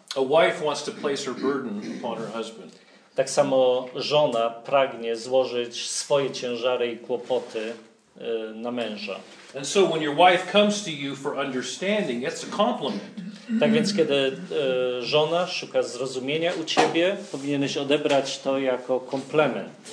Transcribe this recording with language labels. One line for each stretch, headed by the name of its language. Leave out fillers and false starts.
English: a wife wants to place her burden upon her husband.
Polish: Tak samo żona pragnie złożyć swoje ciężary i kłopoty na męża.
English: And so when your wife comes to you for understanding, that's a compliment.
Polish: Tak więc kiedy żona szuka zrozumienia u ciebie, powinieneś odebrać to jako komplement.